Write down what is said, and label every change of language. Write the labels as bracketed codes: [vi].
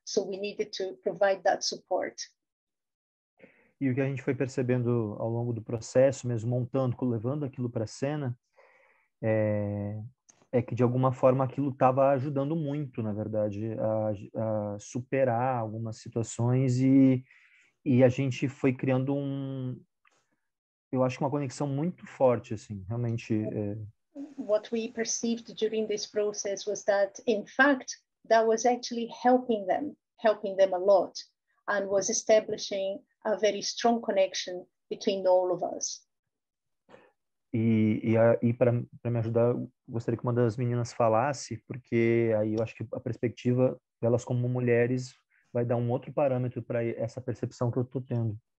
[en] So we needed to provide that support. [pt] E o que a gente foi percebendo ao longo do processo, mesmo montando, levando aquilo para a cena, é que de alguma forma aquilo estava ajudando muito, na verdade, a superar algumas situações e a gente foi criando Eu acho que uma conexão muito forte, assim, realmente. [en] What we perceived during this process was that, in fact, that was actually helping them a lot, and was establishing a very strong connection between all of us. [pt] E para me ajudar, gostaria que uma das meninas falasse, porque aí eu acho que a perspectiva delas como mulheres vai dar um outro parâmetro para essa percepção que eu estou tendo.